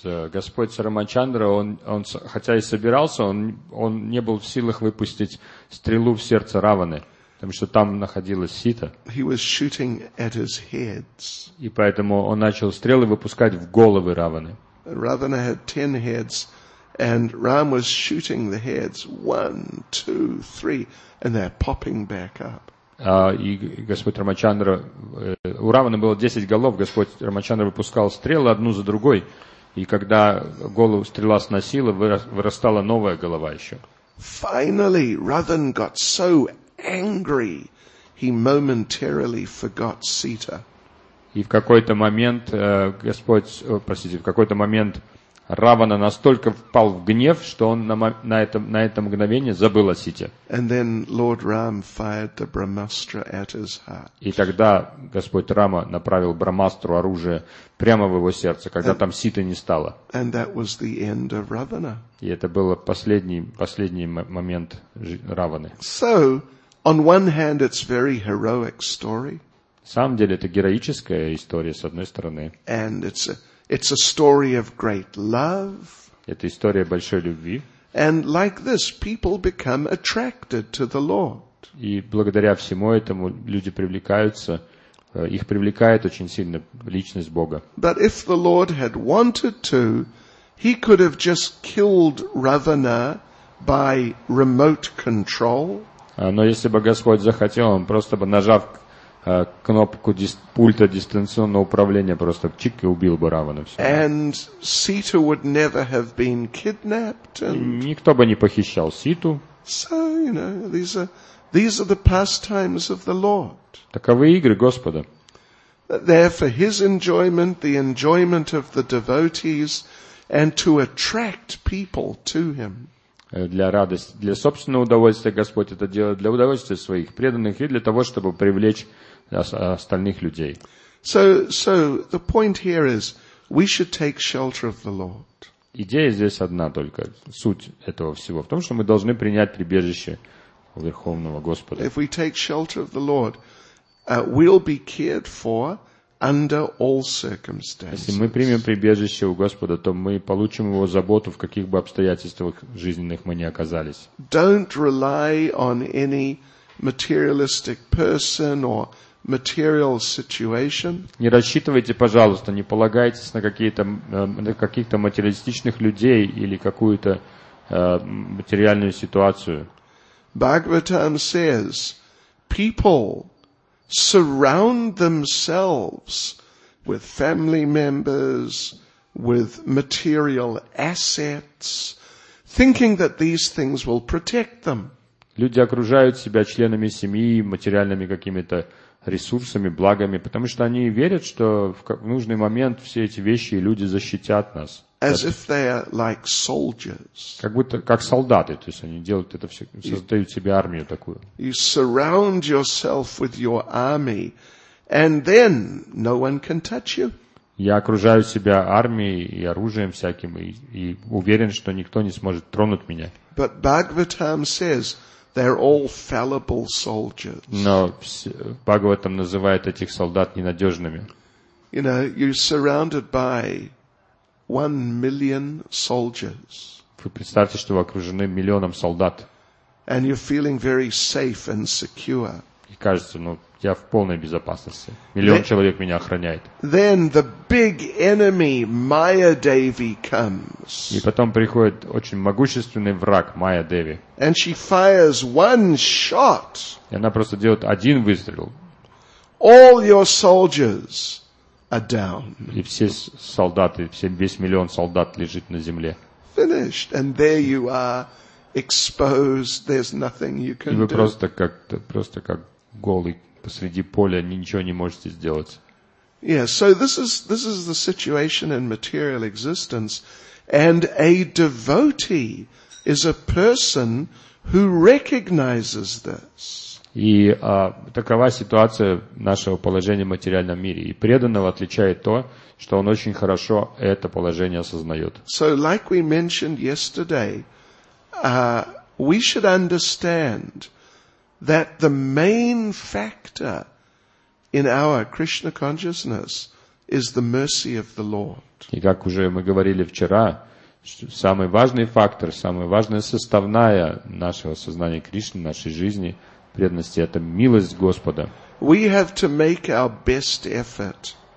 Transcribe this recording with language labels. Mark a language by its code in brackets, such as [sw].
[ru] Господь Рамачандра, он хотя и собирался, он не был в силах выпустить стрелу в сердце Раваны. Потому что там находилась Сита. [en] He was shooting at his heads. [ru] И поэтому он начал стрелы выпускать в головы Раваны. [en] Ravana had 10 heads, and Ram was shooting the heads 1, 2, 3, and they're popping back up. [ru] И Господь Рамачандра, у Раваны было 10 голов, Господь Рамачандра выпускал стрелы одну за другой, и когда голову стрела сносила, вырастала новая голова еще. [en] Finally, Ravan got so angry, he momentarily forgot Sita. [ru] И в какой-то момент в какой-то момент Равана настолько впал в гнев, что он на это мгновение забыл о Сите. [en] And then Lord Ram fired the Brahmastra at his heart. [ru] И тогда Господь Рама направил Брахмастру оружие прямо в его сердце, когда там Ситы не стало. [en] And that was the end of Ravana. [ru] И это был последний момент Раваны. [en] So, on one hand, it's very heroic story. [ru] На самом деле, это героическая история, с одной стороны. [en] And it's a story of great love. [ru] Это история большой любви. [en] And like this, people become attracted to the Lord. [ru] И благодаря всему этому люди привлекаются, их привлекает очень сильно личность Бога. [en] But if the Lord had wanted to, he could have just killed Ravana by remote control. [ru] Но если бы Господь захотел, он просто бы, нажав кнопку пульта дистанционного управления, просто чик, и убил бы Равана. [en] And Sita would never have been kidnapped. [ru] Никто бы не похищал Ситу. [en] So, you know, these are the pastimes of the Lord. [ru] Таковы игры Господа. [en] They're for his enjoyment, the enjoyment of the devotees, and to attract people to him. [ru] Для радости, для собственного удовольствия Господь это делает, для удовольствия своих преданных и для того, чтобы привлечь остальных людей. [en] So the point here is, we should take shelter of the Lord. [ru] Идея здесь одна только. Суть этого всего в том, что мы должны принять прибежище у Верховного Господа. [en] If we take shelter of the Lord, we'll be cared for under all circumstances. [ru] Если мы примем прибежище у Господа, то мы получим его заботу, в каких бы обстоятельствах жизненных мы ни оказались. [en] Don't rely on any materialistic person or material situation. [ru] Не рассчитывайте, пожалуйста, не полагайтесь на каких-то материалистичных людей или какую-то материальную ситуацию. [en] Bhagavatam says, people surround themselves with family members, with material assets, thinking that these things will protect them. [ru] Люди окружают себя членами семьи, материальными какими-то ресурсами, благами, потому что они верят, что в нужный момент все эти вещи и люди защитят нас. [en] As if they are like soldiers. [ru] Как будто как солдаты, то есть они делают это все, создают себе армию такую. [en] You surround yourself with your army, and then no one can touch you. [ru] Я окружаю себя армией и оружием всяким и уверен, что никто не сможет тронуть меня. [en] But Bhagavatam says they're all fallible soldiers. [ru] Но Бхагаватам называет этих солдат ненадежными. [en] You know, you're surrounded by 1 million soldiers. [ru] Вы представьте, что вы окружены миллионом солдат. [en] And you're feeling very safe and secure. [ru] И кажется, ну, я в полной безопасности. Миллион человек меня охраняет. [en] Then the big enemy, Mayadevi, comes. [ru] И потом приходит очень могущественный враг, Mayadevi. [en] And she fires one shot. [ru] И она просто делает один выстрел. [en] All your soldiers are down. [ru] И все солдаты, весь миллион солдат лежит на земле. [en] Finished. And there you are, exposed. There's nothing you can do. [ru] И вы просто как голый посреди поля, ничего не можете сделать. [en] Yeah, so this is the situation in material existence. And a devotee is a person who recognizes this. [ru] И такова ситуация нашего положения в материальном мире. И преданного отличает то, что он очень хорошо это положение осознает. [en] So, like we mentioned yesterday, we should understand that the main factor in our Krishna consciousness is the mercy of the Lord. [ru] И как уже мы говорили вчера, самый важный фактор, самая важная составная нашего сознания Кришны, нашей жизни, преданности, это милость Господа. [en] We have to make our best effort.